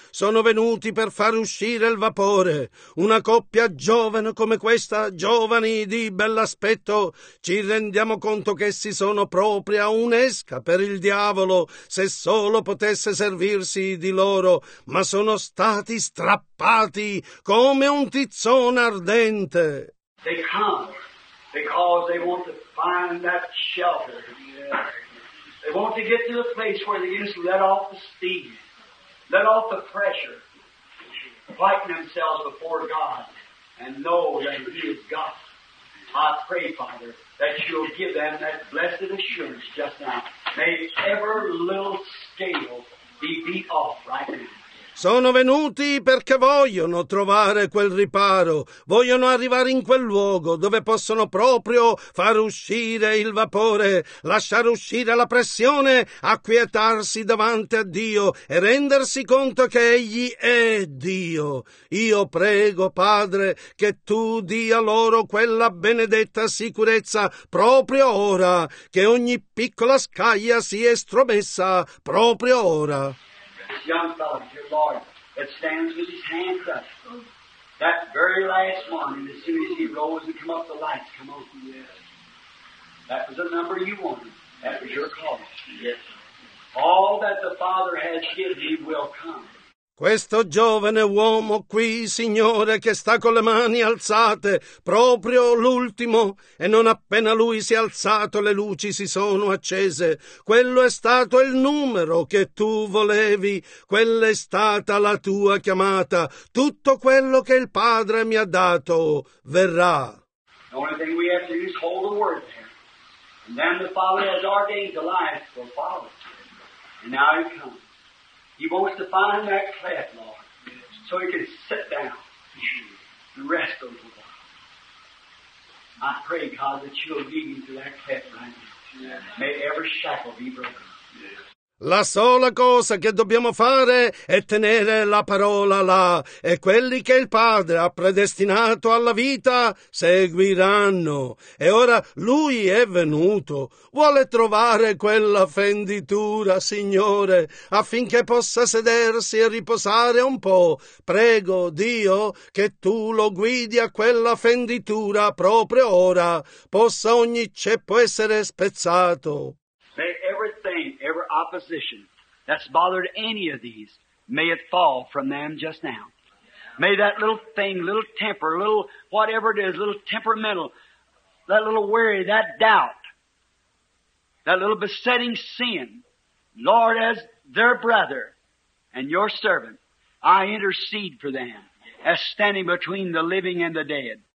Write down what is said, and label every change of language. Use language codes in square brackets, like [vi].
[it] Sono venuti per far uscire il vapore. Una coppia giovane come questa, giovani di bell'aspetto, ci rendiamo conto che essi sono propria un'esca per il diavolo, se solo potesse servirsi di loro, ma sono stati strappati come un tizzone ardente. [en] They come because they want to find that shelter. They want to get to the place where they just let off the steam, let off the pressure, fighting themselves before God and know that He is God. I pray, Father, that you'll give them that blessed assurance just now. May every little scale be beat off right now. [it] Sono venuti perché vogliono trovare quel riparo, vogliono arrivare in quel luogo dove possono proprio far uscire il vapore, lasciare uscire la pressione, acquietarsi davanti a Dio e rendersi conto che Egli è Dio. Io prego, Padre, che Tu dia loro quella benedetta sicurezza proprio ora, che ogni piccola scaglia sia estromessa proprio ora. [en] This young fellow, your Lord, that stands with his hands up. That very last morning, as soon as he rose and come up, the lights come on. Yes. That was the number you wanted. That was your call. Yes. All that the Father has given me will come. [it] Questo giovane uomo qui, Signore, che sta con le mani alzate, proprio l'ultimo, e non appena lui si è alzato le luci si sono accese. Quello è stato il numero che tu volevi, quella è stata la tua chiamata. Tutto quello che il Padre mi ha dato verrà. [en] The only thing we have to do is hold the word there. And then the Father has ordained the life will follow. And now it comes. He wants to find that cleft, Lord, so he can sit down and rest a little while. I pray, God, that you'll lead him to that cleft right now. May every shackle be broken. [it] La sola cosa che dobbiamo fare è tenere la parola là, e quelli che il Padre ha predestinato alla vita seguiranno. E ora Lui è venuto, vuole trovare quella fenditura, Signore, affinché possa sedersi e riposare un po'. Prego, Dio, che Tu lo guidi a quella fenditura proprio ora, possa ogni ceppo essere spezzato. [en] May everything, every opposition that's bothered any of these, may it fall from them just now. May that little thing, little temper, little whatever it is, little temperamental, that little worry, that doubt, that little besetting sin, Lord, as their brother and your servant, I intercede for them as standing between the living and the dead.